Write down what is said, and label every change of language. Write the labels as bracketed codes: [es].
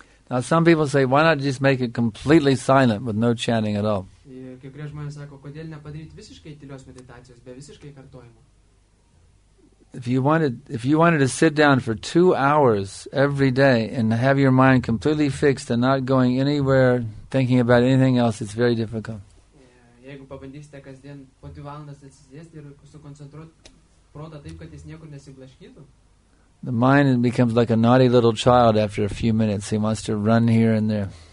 [en] Now some people say, why not just make it completely silent with no chanting at all? [lt] Kai kurie žmonės sako, kodėl nepadaryti visiškai tylios meditacijos, be visiškai kartojimo. [en] If you wanted to sit down for 2 hours every day and have your mind completely fixed and not going anywhere, thinking about anything else, it's very difficult. [lt] Jeigu pabandysite kasdien po 2 valandas atsisėsti ir sukoncentruoti protą taip, kad jis niekur nesiblaškytų. [en] The mind becomes like a naughty little child after a few minutes. He wants to run here and there.